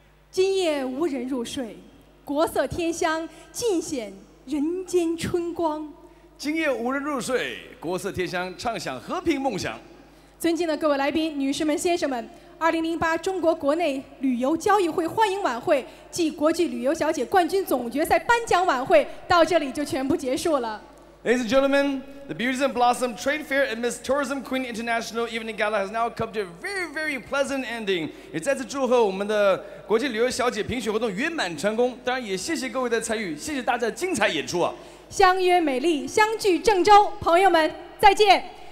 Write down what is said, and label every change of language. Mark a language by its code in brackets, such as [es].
[zh] 今夜无人入睡，国色天香，尽显人间春光。今夜无人入睡，国色天香，唱响和平梦想。尊敬的各位来宾、女士们、先生们，2008中国国内旅游交易会欢迎晚会暨国际旅游小姐冠军总决赛颁奖晚会到这里就全部结束了。 [en] Ladies and gentlemen, the Beauties and Blossom Trade Fair and Miss Tourism Queen International Evening Gala has now come to a very, very pleasant ending. [zh] 也再次祝贺我们的国际旅游小姐评选活动圆满成功。当然也谢谢各位的参与，谢谢大家的精彩演出啊！相约美丽，相聚郑州，朋友们再见。